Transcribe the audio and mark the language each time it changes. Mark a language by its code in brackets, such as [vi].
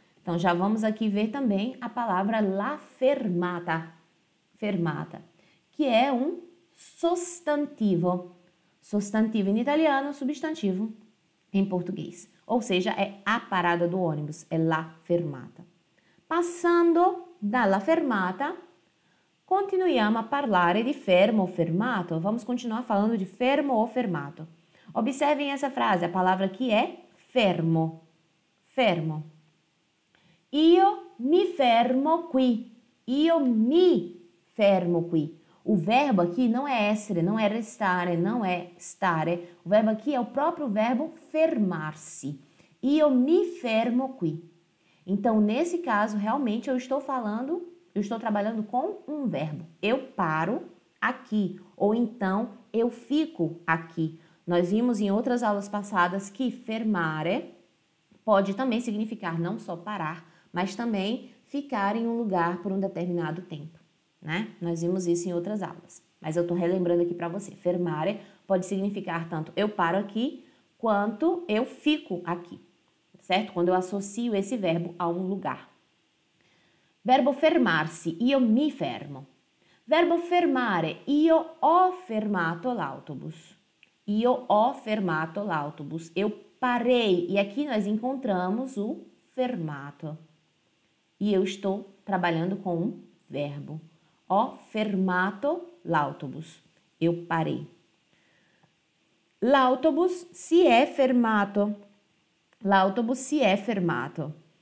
[pt] Então, já vamos aqui ver também a palavra la fermata, fermata, que é um sostantivo. Sostantivo em italiano, substantivo em português. Ou seja, é a parada do ônibus, é la fermata. [it] Passando dalla fermata, continuiamo a parlare di fermo o fermato. [pt] Vamos continuar falando de fermo ou fermato. Observem essa frase, a palavra aqui é fermo. Fermo. [it] Io mi fermo qui. Io mi fermo qui. [pt] O verbo aqui não é essere, não é restare, não é stare. O verbo aqui é o próprio verbo fermar-se. [it] Io mi fermo qui. [pt] Então, nesse caso, realmente eu estou falando Eu estou trabalhando com um verbo. Eu paro aqui. Ou então, eu fico aqui. Nós vimos em outras aulas passadas que fermare pode também significar não só parar, mas também ficar em um lugar por um determinado tempo, né? Nós vimos isso em outras aulas. Mas eu estou relembrando aqui para você. Fermare pode significar tanto eu paro aqui, quanto eu fico aqui, certo? Quando eu associo esse verbo a um lugar. [it] Verbo fermarsi, io mi fermo. Verbo fermare, io ho fermato l'autobus. Io ho fermato l'autobus. [pt] Eu parei. E aqui nós encontramos o fermato. E eu estou trabalhando com um verbo. [it] Ho fermato l'autobus. [pt] Eu parei. [it] L'autobus si è fermato. L'autobus si è fermato.